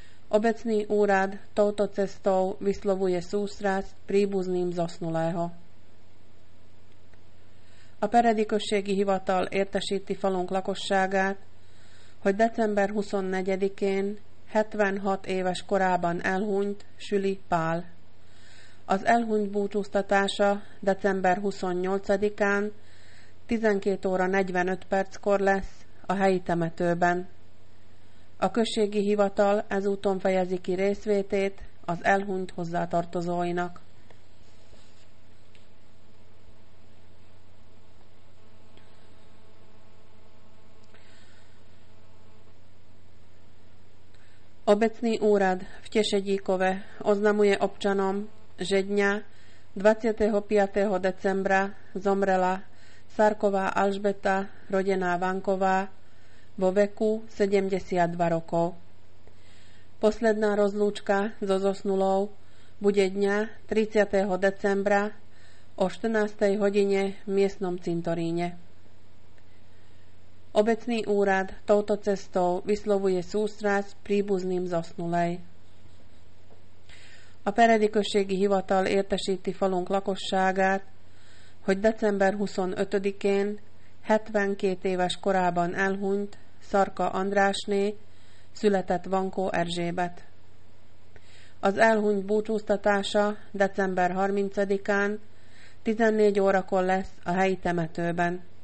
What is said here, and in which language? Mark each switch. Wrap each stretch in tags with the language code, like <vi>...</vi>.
<sk>Obecný úrad touto cestou vyslovuje sústrasť príbuzným zosnulého.</sk> <hu>A peredikosségi hivatal értesíti falunk lakosságát, hogy december 24-én 76 éves korában elhunyt Süli Pál. Az elhunyt búcsúztatása december 28-án 12 óra 45 perckor lesz a helyi temetőben. A községi hivatal ezúton fejezi ki részvétét az elhunyt hozzátartozóinak.</hu> <sk>Obecný úrad v Tešedíkove oznamuje občanom, že dňa 25. decembra zomrela Sárková Alžbeta, rodená Vanková, vo veku 72 rokov. Posledná rozlúčka so zosnulou bude dňa 30. decembra o 14. hodine v miestnom cintoríne. Obecný úrad touto cestou vyslovuje sústrasť príbuzným zosnulej.</sk> <hu>A peredikosségi hivatal értesíti falunk lakosságát, hogy december 25-én 72 éves korában elhunyt Szarka Andrásné született Vankó Erzsébet. Az elhunyt búcsúztatása december 30-án 14 órakor lesz a helyi temetőben.</hu>